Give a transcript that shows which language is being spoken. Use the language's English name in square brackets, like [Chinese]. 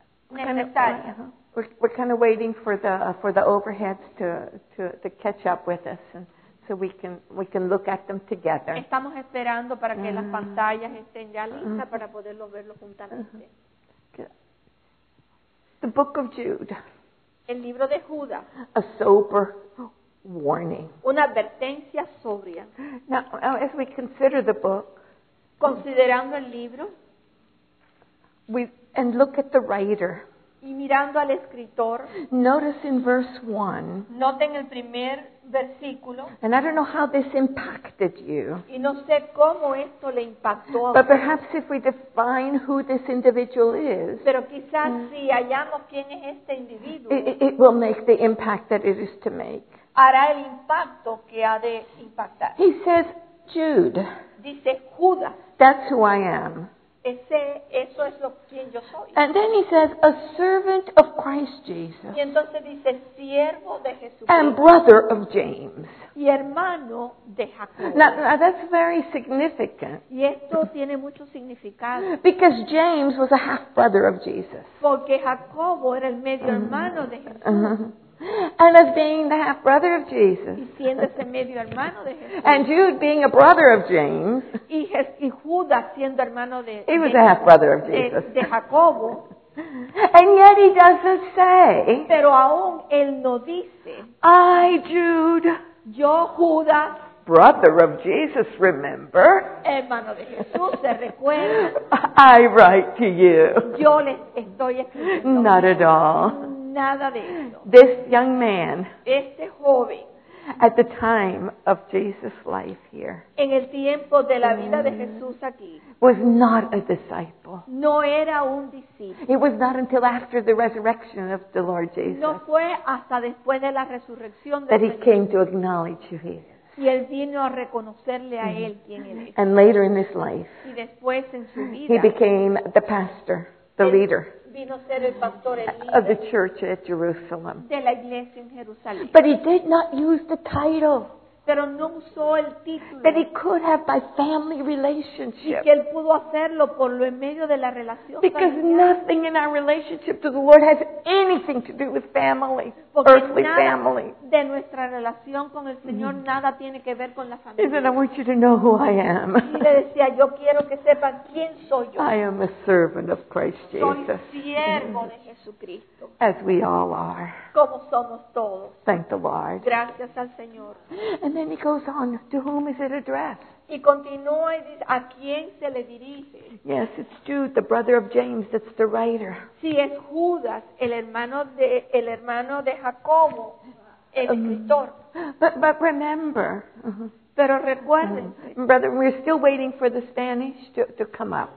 [English] We're kind of waiting for the overheads to catch up with us, and so we can look at them together. [Spanish] Estamos esperando para que las pantallas estén ya listas para poderlo verlo juntamente. [English] The book of Jude. [Spanish] El libro de Judas. [English] A sober warning. [Spanish] Una advertencia sobria. [English] Now, as we consider the book. [Spanish] Considerando el libro. [English] And look at the writer. [Spanish] Y mirando al escritor. [English] Notice in verse 1. [Spanish] Noten el primer versículo. [English] And I don't know how this impacted you. [Spanish] Y no sé cómo esto le impactó a usted. [English] But perhaps if we define who this individual is. [Spanish] Pero quizás si hallamos quién es este individuo. [English] It will make the impact that it is to make. [Spanish] Hará el impacto que ha de impactar. [English] He says, Jude. [Spanish] Dice Judas. [English] That's who I am. [Spanish] Eso es quien yo soy. [English] And then he says, a servant of Christ Jesus. [Spanish] Y entonces dice, siervo de Jesucristo. [English] And brother of James. [Spanish] Y hermano de Jacob. [English] Now that's very significant. [Spanish] Y esto tiene mucho significado. [English] Because James was a half-brother of Jesus. [Spanish] Porque Jacobo era el medio hermano de Jesús. [English] And as being the half brother of Jesus, [Spanish] y siendo ese medio hermano de Jesús, [English] and Jude being a brother of James, [Spanish] y Judas siendo hermano de, [English] he was a half brother of Jesus, [Spanish] de Jacobo, [English] and yet he doesn't say, [Spanish] pero aún él no dice, [English] I Jude, [Spanish] yo Judas, [English] brother of Jesus, remember, [Spanish] hermano de Jesús, se recuerda, [English] I write to you, [Spanish] yo le estoy escribiendo, [English] not at all. [Spanish] Nada de eso. [English] This young man, [Spanish] este joven, [English] at the time of Jesus' life here, [Spanish] en el tiempo de la vida de Jesús aquí, [English] was not a disciple. [Spanish] No era un discípulo. [English] It was not until after the resurrection of the Lord Jesus, [Spanish] no fue hasta después de la resurrección de [English] that he came to acknowledge who he is. [Spanish] Y él vino a reconocerle a él quién él es. [English] And later in his life, [Spanish] y después en su vida, [English] he became the pastor, the leader. [Spanish] Vino ser el pastor, el líder, [English] of the church at Jerusalem. [Spanish] De la iglesia en Jerusalén. [English] But he did not use the title. [Spanish] pero no usó el título. [English] That he could have by family relationship. [Spanish] Y que él pudo hacerlo por lo en medio de la relación. [English] Because [Spanish] familiar. [English] Nothing in our relationship to the Lord has anything to do with family, [Spanish] porque [English] earthly family. [Spanish] De nuestra relación con el Señor nada tiene que ver con la familia. [English] He said, I want you to know who I am. [Spanish] Y le decía, yo quiero que sepan quién soy yo. [English] I am a servant of Christ Jesus. [Spanish] Soy siervo de Jesucristo. [English] As we all are. [Spanish] Como somos todos. [English] Thank the Lord. [Spanish] Gracias al Señor. [English] And then he goes on, to whom is it addressed? [Spanish] Y continúa y dice, ¿a quién se le dirige? [English] Yes, it's Jude, the brother of James, that's the writer. [Spanish] Sí, es Judas, el hermano de Jacobo, el escritor. [English] But remember, [Spanish] pero recuérdense. [English] Brother, we're still waiting for the Spanish to come up.